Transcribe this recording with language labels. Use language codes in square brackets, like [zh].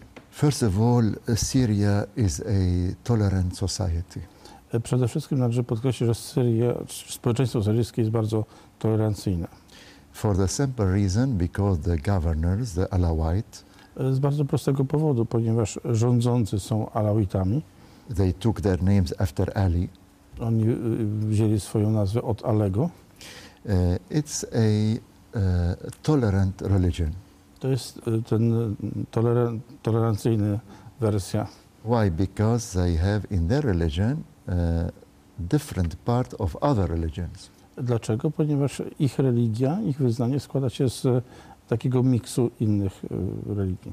[en] First of all, Syria is a tolerant society. [pl] Przede wszystkim należy podkreślić, że Syria, społeczeństwo syryjskie jest bardzo tolerancyjne. [en] For the simple reason, because the governors, the Alawites, [pl] z bardzo prostego powodu, ponieważ rządzący są Alawitami. [en] They took their names after Ali. [pl] Oni wzięli swoją nazwę od Alego. [en] It's a tolerant religion. [pl] To jest ten tolerancyjny wersja. [en] Why? Because they have in their religion different part of other religions. [pl] Dlaczego? Ponieważ ich religia, ich wyznanie składa się z takiego miksu innych religii.